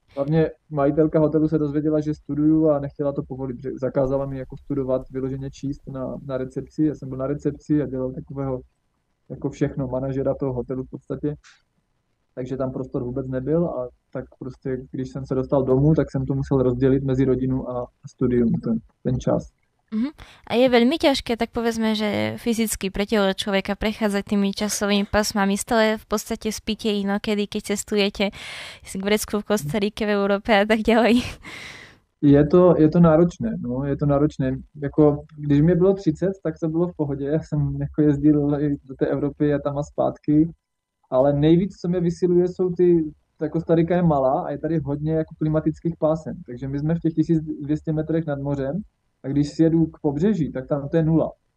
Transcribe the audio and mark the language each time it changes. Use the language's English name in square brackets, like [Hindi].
[Czech] Hlavně majitelka hotelu se dozvěděla, že studuju a nechtěla to povolit, že zakázala mi jako studovat, vyloženě číst na recepci. Já jsem byl na recepci a dělal takového jako všechno, manažera toho hotelu v podstatě. Takže tam prostor vůbec nebyl a tak prostě, když jsem se dostal domů, tak jsem to musel rozdělit mezi rodinu a studium, ten čas. [Slovak] A je veľmi ťažké, tak povedzme, že fyzicky pre telo človeka prechádzať tými časovými pásmami. Stále v podstate spíte inokedy, keď cestujete v Grécku, v Kostarike, v Európe a tak ďalej. Je to náročné, no, je to náročné. [Czech] Jako, když mi bylo 30, tak to bylo v pohodě. Já jsem jako jezdil do té Evropy a tam a zpátky. Ale nejvíc, co mě vysiluje, jsou ty, ta Kostarika je malá a je tady hodně jako klimatických pásem. Takže my jsme v těch 1200 metrech nad mořem a když sjedu k pobřeží, tak tam to je nula.